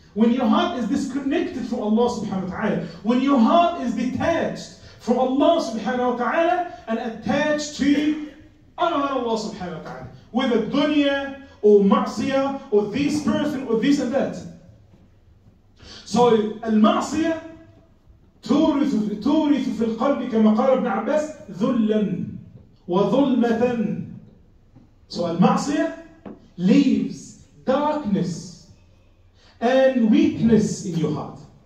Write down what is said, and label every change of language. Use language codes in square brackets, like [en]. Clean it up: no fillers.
[en] When your heart is disconnected from Allah subhanahu wa ta'ala. When your heart is detached from Allah subhanahu wa ta'ala and attached to Allah subhanahu wa ta'ala. Whether dunya or ma'asiyah or this person or this and that. [ar] So al-ma'asiyah تورث في القلب كما قال ابن عباس ذلا وظلمة. [en] So المعصية leaves darkness and weakness in your heart.